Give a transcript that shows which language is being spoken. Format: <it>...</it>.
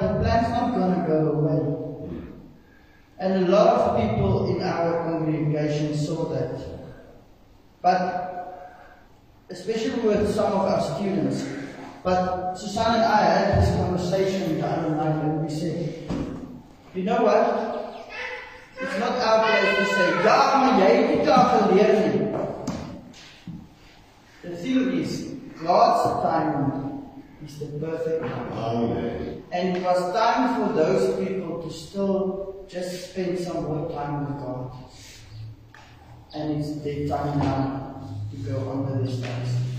<en>The plan's not going to go away. And a lot of people in our congregation saw that. But especially with some of our students. But Susanne and I had this conversation the other night and we said, you know what? It's not our place to say,</en> <af>ja, maar jy het die taak geleer nie.</af> <en>The thing is, God's timing is the perfect time. And it was time for those people to still just spend some more time with God. And it's their time now to go under this place.</en>